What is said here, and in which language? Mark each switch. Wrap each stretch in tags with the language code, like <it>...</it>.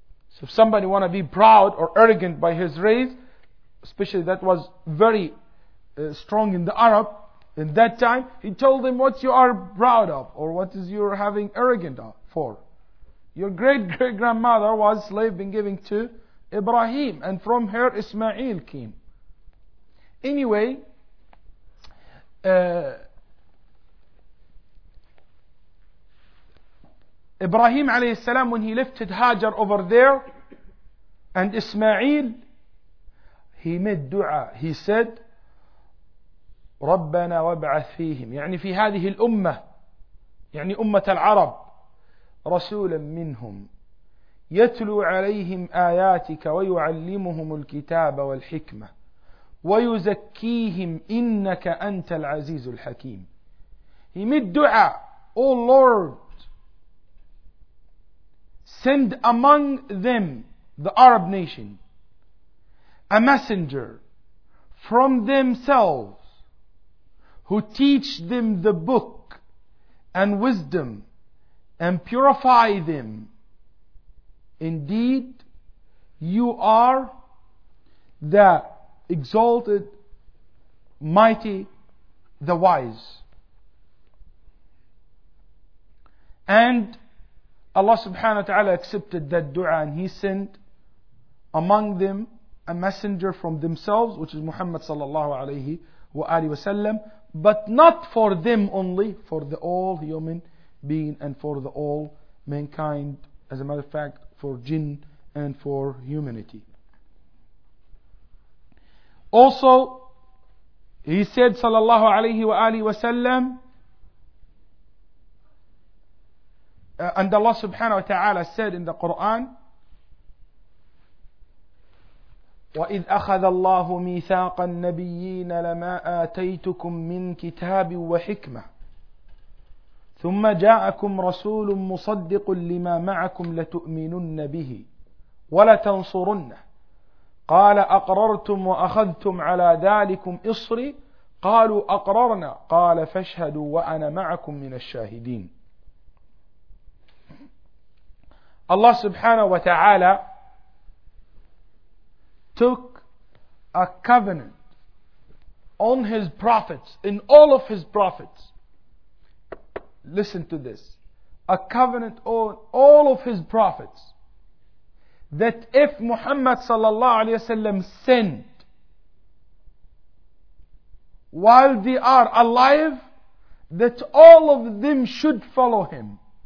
<en>So if somebody want to be proud or arrogant by his race, especially that was very strong in the Arab, in that time, he told him, what you are proud of, or what is you having arrogant for. Your great-great-grandmother was slave been given to Ibrahim, and from her Ismail came. Anyway, Ibrahim alayhi salam, when he lifted Hajar over there, and Ismail, he made dua, he said,</en> <ar>ربنا وابعث فيهم يعني في هذه الأمة يعني أمة العرب رسولا منهم يتلو عليهم آياتك ويعلمهم الكتاب والحكمة ويزكيهم إنك أنت العزيز الحكيم.</ar> <en>He made dua, O Lord, send among them, the Arab nation, a messenger from themselves who teach them the book and wisdom and purify them. Indeed, you are the exalted, mighty, the wise. And Allah subhanahu wa ta'ala accepted that dua, and He sent among them a messenger from themselves, which is Muhammad sallallahu alayhi wa alihi wa sallam, but not for them only, for the all human being and for the all mankind, as a matter of fact, for jinn and for humanity. Also, He said sallallahu alayhi wa alihi wa sallam, and Allah subhanahu wa ta'ala said in the Quran,</en> <ar>وَإِذْ أَخَذَ اللَّهُ مِيثَاقَ النَّبِيِّينَ لَمَا آتَيْتُكُم مِّن كِتَابٍ وَحِكْمَةٍ ثُمَّ جَاءَكُمْ رَسُولٌ مُصَدِّقٌ لِمَا مَعَكُمْ لَتُؤْمِنُنَّ بِهِ وَلَتَنْصُرُنَّهِ قَالَ أَقْرَرْتُمْ وَأَخَذْتُمْ عَلَى ذَلِكُمْ إِصْرِي قَالُوا أَقْرَرْنَا قَالَ فَاشْهَدُوا وَأَنَا مَعَكُمْ مِنَ الشَّاهِدِينَ.</ar> <en>الله سبحانه وتعالى took a covenant on his prophets, in all of his prophets. Listen to this. A covenant on all of his prophets that if Muhammad sallallahu alayhi wa sallam sinned while they are alive, that all of them should follow him.</en>